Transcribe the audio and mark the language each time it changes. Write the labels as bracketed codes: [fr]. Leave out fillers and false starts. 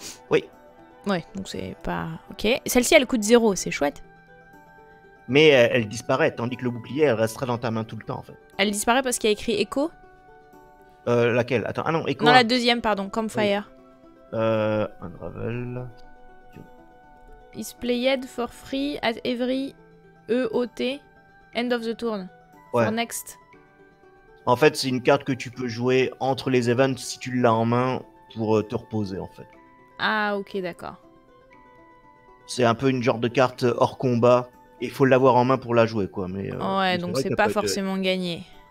[fr] Oui. Ouais, donc c'est pas... Ok. Celle-ci, elle coûte 0, c'est chouette. Mais elle disparaît, tandis que le bouclier, elle restera dans ta main tout le temps, en fait. Elle disparaît parce qu'il y a écrit écho. Laquelle? Attends, ah non, écho. Non, la deuxième, pardon, Campfire. Oui. [en] Unravel. Is played for free at every EOT end of the turn. [fr] Ouais. [en] For next. [fr] En fait, c'est une carte que tu peux jouer entre les events si tu l'as en main pour te reposer en fait. Ah, ok, d'accord. C'est un peu une genre de carte hors combat. Il faut l'avoir en main pour la jouer quoi. Mais, ouais, donc c'est pas forcément gagné.